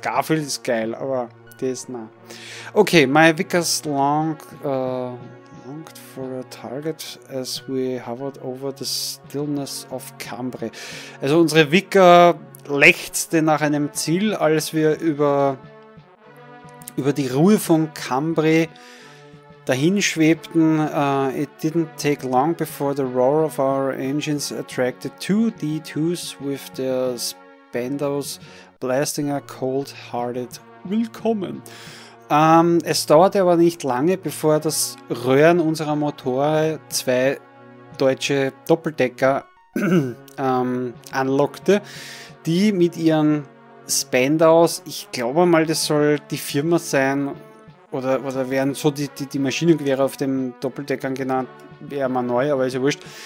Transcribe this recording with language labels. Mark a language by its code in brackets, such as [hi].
[de] Garfield ist geil, aber das, na. [en] Okay, my Vickers longed for a target as we hovered over the stillness of Cambrai. [de] Also unsere Vicker lechzte nach einem Ziel, als wir über die Ruhe von Cambrai dahin schwebten. [en] It didn't take long before the roar of our engines attracted two D2s with their Spandos blasting a cold-hearted Willkommen. [de] Es dauerte aber nicht lange, bevor das Röhren unserer Motoren zwei deutsche Doppeldecker anlockte, die mit ihren Spandos, ich glaube mal, das soll die Firma sein, oder werden so die Maschinengewehre auf dem Doppeldeckern genannt, wäre mal neu, aber ist ja wurscht,